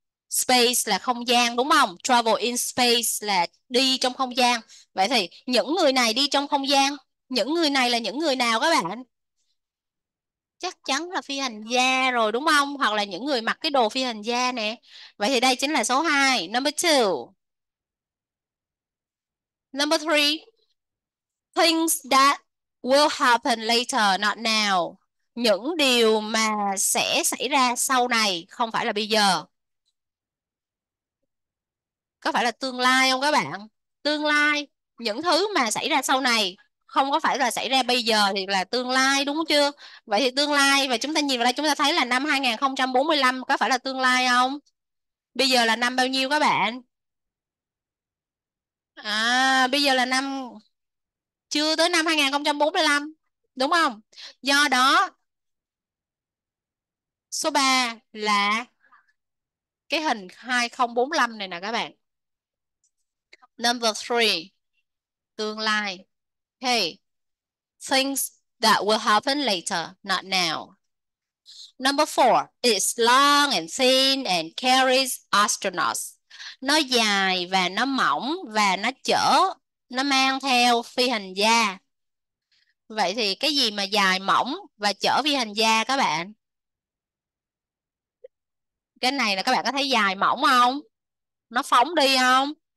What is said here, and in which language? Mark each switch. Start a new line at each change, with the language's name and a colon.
Vietnamese: Space là không gian đúng không?
English: Travel in space
Vietnamese: là đi trong không gian. Vậy thì những người này đi trong không gian, những người này là những người nào các bạn? Chắc chắn là phi hành gia rồi đúng không? Hoặc là những người mặc cái đồ phi hành gia nè. Vậy thì đây chính là số 2.
English: Number 3, things that will happen later, not now.
Vietnamese: Những điều mà sẽ xảy ra sau này không phải là bây giờ. Có phải là tương lai không các bạn? Tương lai, những thứ mà xảy ra sau này không có phải là xảy ra bây giờ thì là tương lai đúng chưa? Vậy thì tương lai và chúng ta nhìn vào đây chúng ta thấy là năm 2045 có phải là tương lai không? Bây giờ là năm bao nhiêu các bạn? Bây giờ là năm chưa tới năm 2045. Đúng không? Do đó số 3 là cái hình 2045 này nè các bạn.
English: Number 3
Vietnamese: tương lai.
English: Hey, things that will happen later, not now. Number 4, it's long and thin and carries astronauts.
Vietnamese: Nó dài và nó mỏng và nó chở, nó mang theo phi hành gia. Vậy thì cái gì mà dài mỏng và chở phi hành gia các bạn? Cái này là các bạn có thấy dài mỏng không? Nó phóng đi không?